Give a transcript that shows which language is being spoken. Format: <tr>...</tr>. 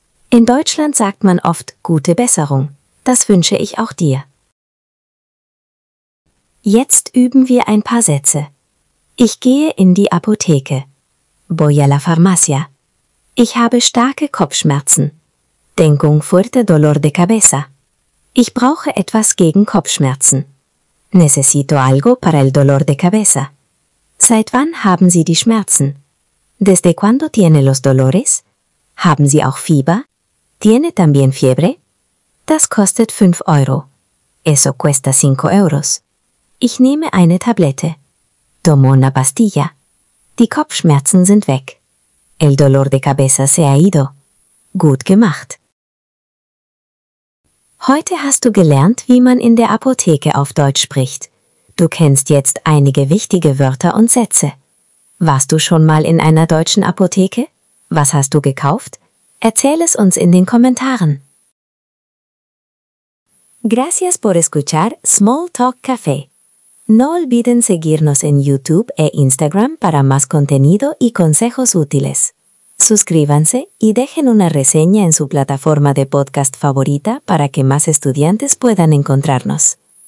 <de>In Deutschland sagt man oft gute Besserung. Das wünsche ich auch dir. Jetzt üben wir ein paar Sätze. Ich gehe in die Apotheke.</de> <es>Voy a la farmacia.</es> <de>Ich habe starke Kopfschmerzen.</de> <es>Tengo un fuerte dolor de cabeza.</es> <de>Ich brauche etwas gegen Kopfschmerzen.</de> <es>Necesito algo para el dolor de cabeza.</es> <de>Seit wann haben Sie die Schmerzen?</de> <es>Desde cuando tiene los dolores?</es> <de>Haben Sie auch Fieber?</de> <es>Tiene también fiebre?</es> <de>Das kostet 5 €.</de> <es>Eso cuesta 5 €.</es> <de>Ich nehme eine Tablette.</de> <es>Tomo una pastilla.</es> <de>Die Kopfschmerzen sind weg.</de> <es>El dolor de cabeza se ha ido.</es> <de>Gut gemacht. Heute hast du gelernt, wie man in der Apotheke auf Deutsch spricht. Du kennst jetzt einige wichtige Wörter und Sätze. Warst du schon mal in einer deutschen Apotheke? Was hast du gekauft? Erzähl es uns in den Kommentaren.</de> <es>Gracias por escuchar Small Talk Café. No olviden seguirnos en YouTube e Instagram para más contenido y consejos útiles. Suscríbanse y dejen una reseña en su plataforma de podcast favorita para que más estudiantes puedan encontrarnos.</es>